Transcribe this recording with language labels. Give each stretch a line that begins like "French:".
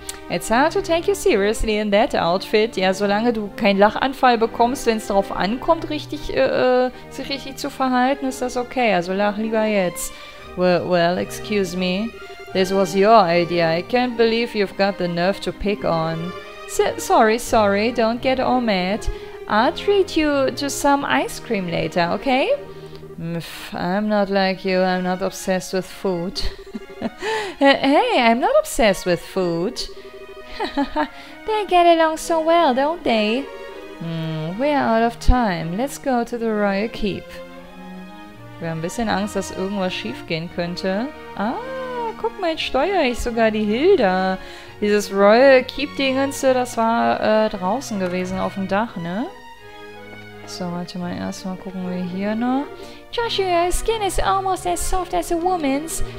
English: It's hard to take you seriously in that outfit.
German: Ja, solange du keinen Lachanfall bekommst, wenn es darauf ankommt, sich richtig zu verhalten, ist das okay. Also lach lieber jetzt.
English: Well, excuse me. This was your idea. I can't believe you've got the nerve to pick on. Sorry, don't get all mad. I'll treat you to some ice cream later, okay? I'm not like you, I'm not obsessed with food. Hey, I'm not obsessed with food. They get along so well, don't they? We're out of time, let's go to the royal keep.
German: Wir haben ein bisschen Angst, dass irgendwas schief gehen könnte. Ah, guck mal, jetzt steuere ich sogar die Hilda. Dieses Royal Keep-Dingens, das war draußen gewesen, auf dem Dach, ne? So, warte mal, erstmal gucken wir hier noch.
English: Joshua, your skin is almost as soft as a woman's.